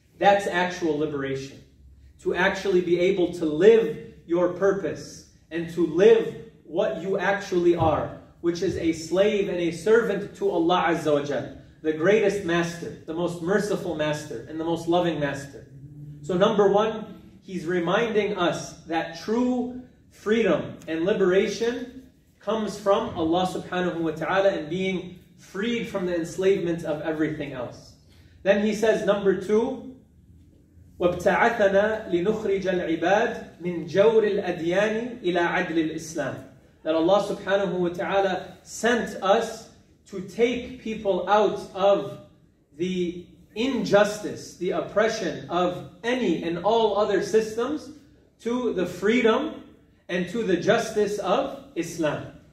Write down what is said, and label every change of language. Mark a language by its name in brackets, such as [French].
[English] That's actual liberation. To actually be able to live your purpose and to live what you actually are, which is a slave and a servant to Allah Azza wa Jal, the greatest master, the most merciful master, and the most loving master. So number one, he's reminding us that true freedom and liberation comes from Allah subhanahu wa ta'ala and being freed from the enslavement of everything else. Then he says number two, [Arabic] وَابْتَعَثَنَا لِنُخْرِجَ الْعِبَادِ مِنْ جَوْرِ الْأَدْيَانِ إِلَىٰ عَدْلِ الْإِسْلَامِ. [English] That Allah subhanahu wa ta'ala sent us to take people out of the injustice, the oppression of any and all other systems to the freedom and to the justice of Islam.